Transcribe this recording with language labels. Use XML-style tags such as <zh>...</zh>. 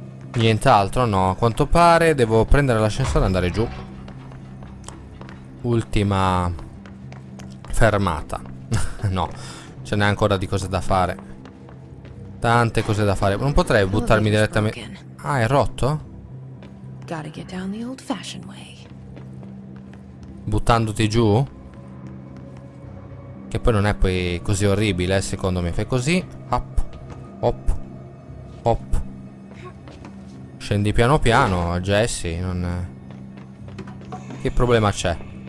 <it>Nient'altro, no. A quanto pare devo prendere l'ascensore e andare giù. Ultima fermata. No, ce n'è ancora di cose da fare. Tante cose da fare. Non potrei buttarmi direttamente. Ah, è rotto?</it> <en>Gotta get down the old fashioned way.</en> <it>Buttandoti giù? Che poi non è poi così orribile, secondo me. Fai così. Hop, hop, hop. Scendi piano piano, Jesse. Non... Che problema c'è?</it>